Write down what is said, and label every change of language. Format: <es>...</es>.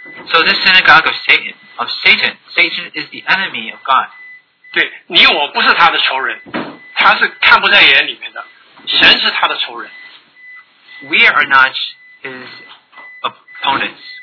<en>So this synagogue of Satan is the enemy of God.</en> <zh>对，你我不是他的仇人，他是看不在眼里面的，神是他的仇人。</zh> <en>We are not his opponents.</en>